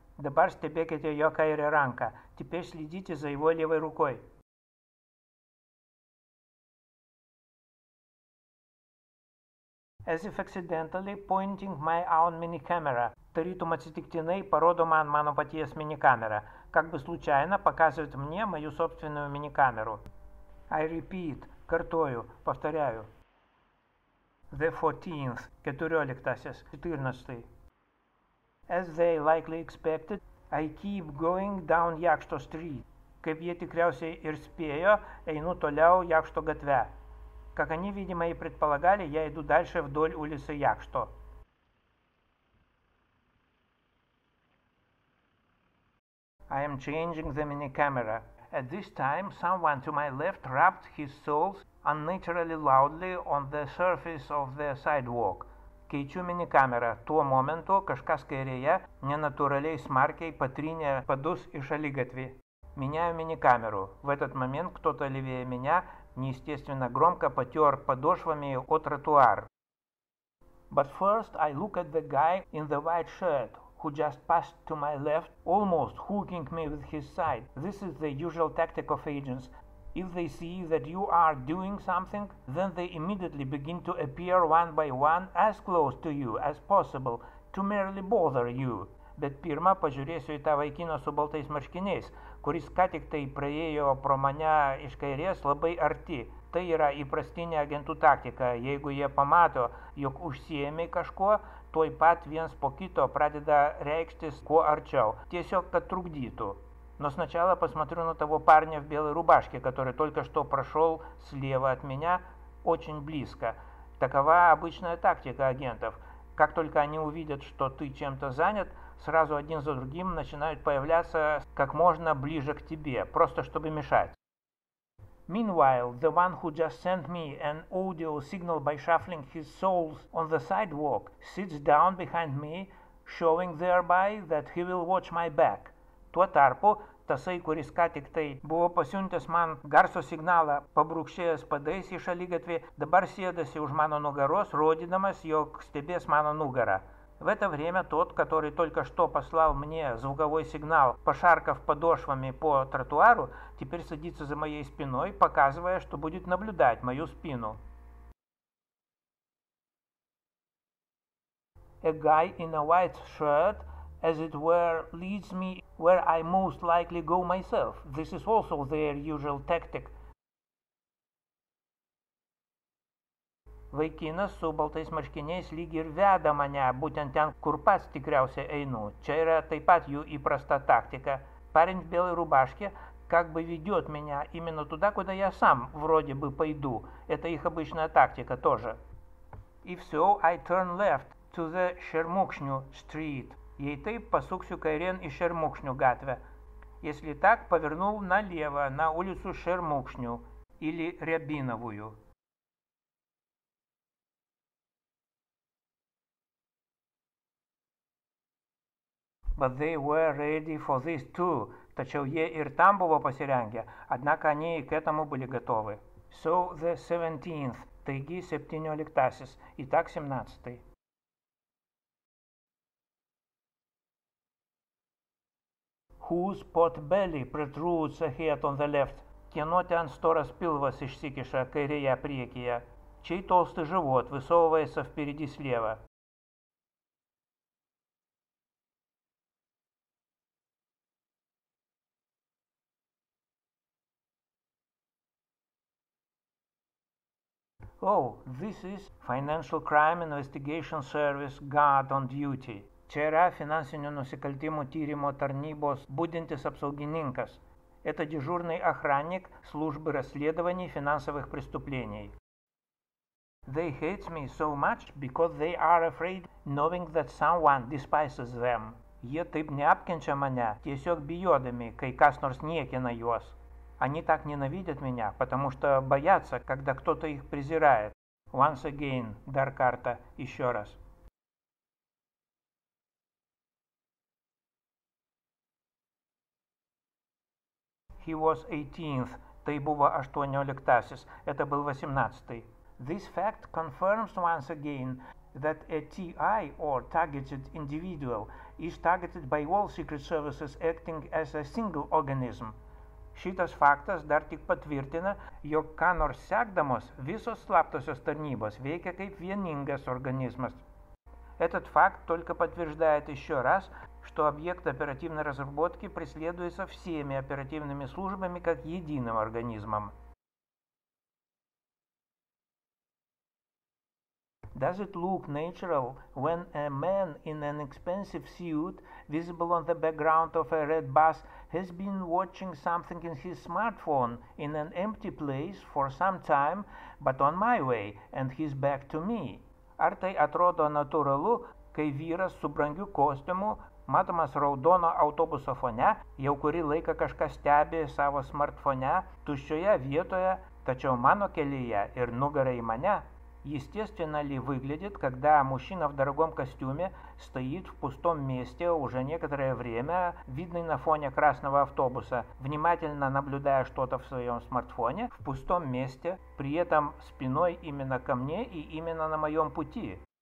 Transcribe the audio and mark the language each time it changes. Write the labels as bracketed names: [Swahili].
[Lithuanian] Dabar stebėkite jo kairę ranką. [Russian] Теперь следите за его левой рукой. [English] As if accidentally pointing my own mini camera. [Lithuanian] Tarytum atsitiktinai parodo man mano paties mini камера. [Russian] Как бы случайно показывает мне мою собственную мини камеру. [English] I repeat. [Russian] Картою. Повторяю. [English] The 14th. 14. 14. As they likely expected, I keep going down Jakšto Street. [Lithuanian] Kaip jie tikriausiai ir spėjo, einu toliau Jakšto gatve. [Russian] Как они, видимо, и предполагали, я иду дальше вдоль улицы Jakšto. [English] I am changing the mini camera. At this time, someone to my left rubbed his soles unnaturally loudly on the surface of the sidewalk. [Lithuanian] Keičiu mini kamerą. Tuo momentu kažkas kairėje nenatūraliai smarkiai patrynė padus į šaligatvį. [Russian] Меняю мини камеру. В этот момент кто-то левее меня неестественно громко потер подошвами о тротуар. [English] But first I look at the guy in the white shirt, who just passed to my left, almost hooking me with his side. This is the usual tactic of agents. If they see that you are doing something, then they immediately begin to appear one by one as close to you as possible, to merely bother you. [Lithuanian] Bet pirma pažiūrėsiu į tą vaikiną su baltais marškiniais, kuris ką tik tai praėjo pro mane iš kairės labai arti. Tai yra įprastinė agentų taktika, jeigu jie pamato, jog užsiėmė kažko, tuoj pat viens po kito pradeda reikštis kuo arčiau, tiesiog kad trukdytų. [Russian] Но сначала посмотрю на того парня в белой рубашке, который только что прошел слева от меня, очень близко. Такова обычная тактика агентов. Как только они увидят, что ты чем-то занят, сразу один за другим начинают появляться как можно ближе к тебе, просто чтобы мешать. [English] Meanwhile, the one who just sent me an audio signal by shuffling his soles on the sidewalk sits down behind me, showing thereby that he will watch my back. [Lithuanian] Tuo tarpu, tasai, kuris ką tik tai buvo pasiuntęs man garso signalą, pabrūkšėjęs padais į šaligatvį, dabar sėdasi už mano nugaros, rodydamas, jog stebės mano nugarą. [Russian] В это время тот, который только что послал мне звуковой сигнал, пошаркав подошвами по тротуару, теперь садится за моей спиной, показывая, что будет наблюдать мою спину. [English] A guy in a white shirt, as it were, leads me where I most likely go myself. This is also their usual tactic. [Lithuanian] Vaikinas su baltais marškiniais lyg ir veda mane, būtent ten, kur pats tikriausiai einu. Čia yra taip pat jų įprasta taktika. [Russian] Parень в белой рубашке как бы ведет меня именно туда, куда я сам вроде бы пойду. Это их обычная тактика тоже. [English] If so, I turn left to the Shermukhshnyu Street. [Lithuanian] Jei taip, pasuksiu kairėn į Shermukhshnyu gatvę. [Russian] Если так, поверну налево, на улицу Shermukhshnyu или Рябиновую. [English] But they were ready for this too. [Lithuanian] Tačiau jie ir tam buvo pasirengę, [Russian] однако они и к этому были готовы. [English] So the 17th. [Lithuanian] Taigi 17-asis. [Russian] Итак, 17-ai. [English] Whose pot belly protrudes ahead on the left? [Lithuanian] Кино ten storas pilvas išsikiša kairėje priekyje. [Russian] Чей толстый живот высовывается впереди слева? [English] Oh, this is Financial Crime Investigation Service Guard on Duty. [Lithuanian] Čia yra finansinių nusikaltimų tyrimo tarnybos budintis apsaugininkas. [Russian] Это дежурный охранник службы расследований финансовых преступлений. [English] They hate me so much because they are afraid knowing that someone despises them. [Lithuanian] Jie taip neapkenčia mane, tiesiog bijodami, kai kas nors niekina juos. [Russian] Они так ненавидят меня, потому что боятся, когда кто-то их презирает. [English] Once again, [Lithuanian] дар карта, [Russian] еще раз. [English] He was 18th, [Lithuanian] тайбува аштуаньолектасис. [Russian] Это был 18-й. [English] This fact confirms once again that a TI, or targeted individual, is targeted by all secret services acting as a single organism. [Lithuanian] Šitas faktas dar tik patvirtina, jog ką nors sekdamos visos slaptosios tarnybos veikia kaip vieningas organizmas. [Russian] Этот факт только подтверждает еще раз, что объект оперативной разработки преследуется всеми оперативными службами как единым организмом. [English] Does it look natural when a man in an expensive suit, visible on the background of a red bus, has been watching something in his smartphone in an empty place for some time, but on my way, and he's back to me? [Lithuanian] Ar tai atrodo natūralu, kai vyras su brangiu kostiumu, matomas raudono autobuso fone, jau kurį laiką kažkas stebi savo smartfone, tuščioje vietoje, tačiau mano kelyje ir nugara į mane? [Russian] Естественно ли выглядит, когда мужчина в дорогом костюме стоит в пустом месте уже некоторое время, видный на фоне красного автобуса, внимательно наблюдая что-то в своем смартфоне, в пустом месте, при этом спиной именно ко мне и именно на моем пути?